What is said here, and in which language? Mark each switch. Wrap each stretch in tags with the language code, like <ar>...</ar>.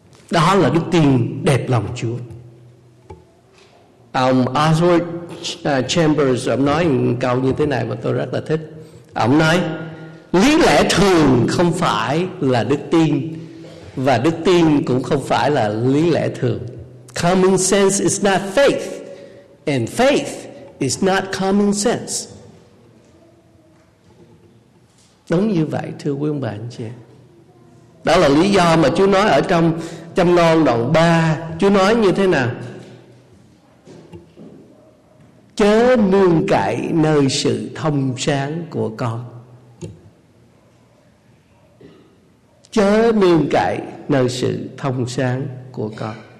<vi>Đó là đức tin đẹp lòng Chúa. Ông Oswald Chambers ông nói một câu như thế này mà tôi rất là thích. Ông nói lý lẽ thường không phải là đức tin, và đức tin cũng không phải là lý lẽ thường.</vi> <en>Common sense is not faith, and faith is not common sense.</en> <vi>Đúng như vậy thưa quý ông bà anh chị. Đó là lý do mà Chúa nói ở trong Châm Ngôn đoạn 3, Chúa nói như thế nào: chớ nương cậy nơi sự thông sáng của con, chớ nương cậy nơi sự thông sáng của con.</vi>